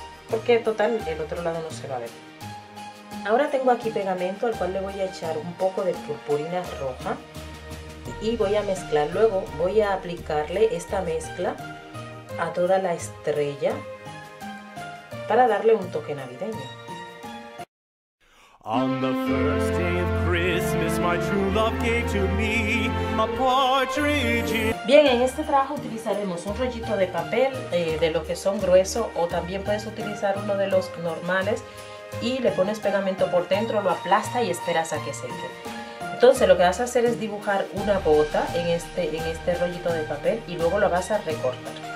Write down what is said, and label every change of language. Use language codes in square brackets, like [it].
[es] porque total el otro lado no se va a ver. Ahora tengo aquí pegamento al cual le voy a echar un poco de purpurina roja y voy a mezclar. Luego voy a aplicarle esta mezcla a toda la estrella para darle un toque navideño. [en] On the first day of Christmas, my true love gave to me a partridge. [es] Bien, en este trabajo utilizaremos un rollito de papel de lo que son grueso, o también puedes utilizar uno de los normales y le pones pegamento por dentro, lo aplasta y esperas a que seque. Entonces lo que vas a hacer es dibujar una bota en este rollito de papel y luego lo vas a recortar.